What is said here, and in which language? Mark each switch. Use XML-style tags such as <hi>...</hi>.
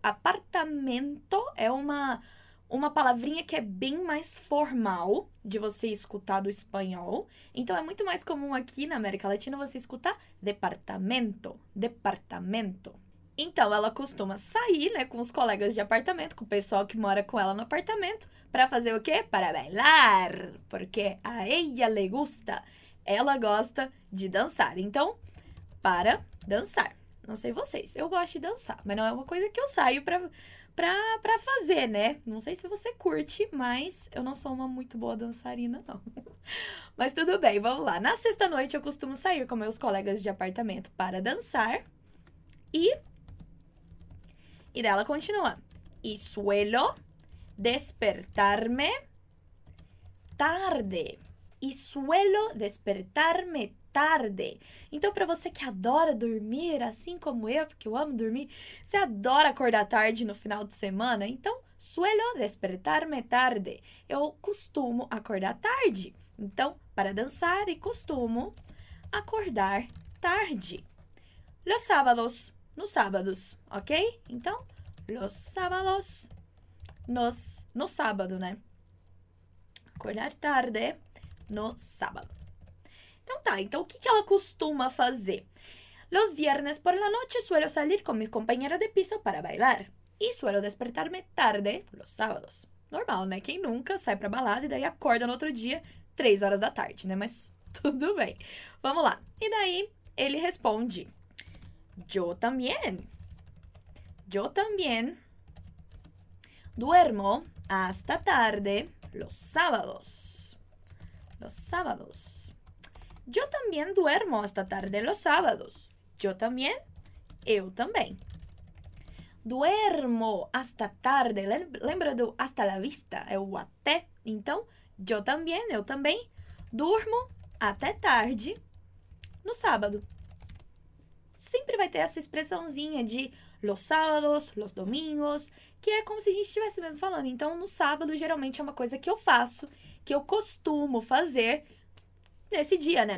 <pt>Apartamento é uma palavrinha que é bem mais formal de você escutar do espanhol. Então, é muito mais comum aqui na América Latina você escutar departamento, departamento. Então, ela costuma sair, né, com os colegas de apartamento, com o pessoal que mora com ela no apartamento, para fazer o quê?</pt> <es>Para bailar, porque a ella le gusta.</es> <pt>Ela gosta de dançar. Então, para dançar. Não sei vocês, eu gosto de dançar, mas não é uma coisa que eu saio para fazer, né? Não sei se você curte, mas eu não sou uma muito boa dançarina, não. Mas tudo bem, vamos lá. Na sexta-noite, eu costumo sair com meus colegas de apartamento para dançar e... E dela continua.</pt> <es>Y suelo despertarme tarde. Y suelo despertarme tarde.</es> <pt>Então, para você que adora dormir, assim como eu, porque eu amo dormir, você adora acordar tarde no final de semana, então,</pt> <es>suelo despertarme tarde.</es> <pt>Eu costumo acordar tarde. Então, para dançar, e costumo acordar tarde.</pt> <es>Los sábados,</es> <pt>nos sábados, ok? Então, los sábados, no sábado, né? Acordar tarde, no sábado. Então tá, então o que ela costuma fazer?</pt> <es>Los viernes por la noche suelo salir con mi compañera de piso para bailar. Y suelo despertarme tarde, los sábados.</es> <pt>Normal, né? Quem nunca sai pra balada e daí acorda no outro dia, 3 horas da tarde, né? Mas tudo bem. Vamos lá. E daí,</pt> <es>eliges Pongi. Yo también. Yo también duermo hasta tarde los sábados. Los sábados. Yo también duermo hasta tarde los sábados. Yo también. Eu también. Duermo hasta tarde.</es> <pt>Lembra do</pt> <es>hasta la vista.</es> <pt>É o até. Então,</pt> <es>yo también,</es> <pt>eu também. Durmo até tarde no sábado. Sempre vai ter essa expressãozinha de los sábados, los domingos, que é como se a gente estivesse mesmo falando. Então, no sábado, geralmente, é uma coisa que eu faço, que eu costumo fazer nesse dia, né?</pt>